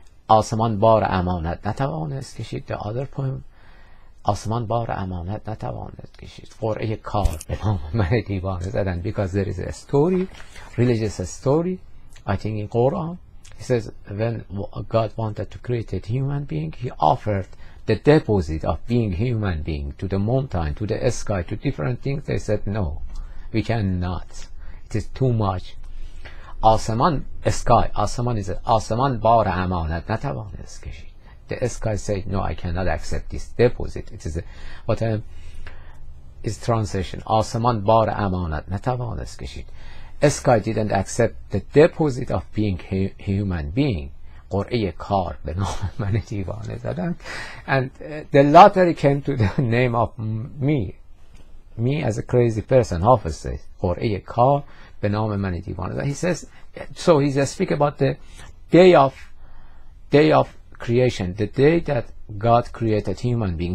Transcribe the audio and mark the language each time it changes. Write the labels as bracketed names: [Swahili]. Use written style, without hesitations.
[Persian] آسمان بار امانت نتوانست کشید. [English] The other poem. [Persian] آسمان بار امانت نتوانست کشید. قرعه کار به نام من دیوانه زدن. [English] Because there is a story, religious story, I think in Quran. He says when God wanted to create a human being, he offered the deposit of being human being to the mountain, to the sky, to different things. They said no, we cannot, it is too much. [Persian] Asaman sky, Asaman is Asaman bar amanat natavanest kashid. [English] The sky said no, I cannot accept this deposit. It is is translation. [Persian] Asaman bar amanat natavanest kashid. [English] Sky didn't accept the deposit of being human being. [Persian] قرعه کار به نام من دیوانه زدن. [English] And the lottery came to the name of me as a crazy person. Hafiz says [Persian] قرعه کار به نام من دیوانه زدن. [English] He says, so he just speak about the day of creation, the day that God created human being.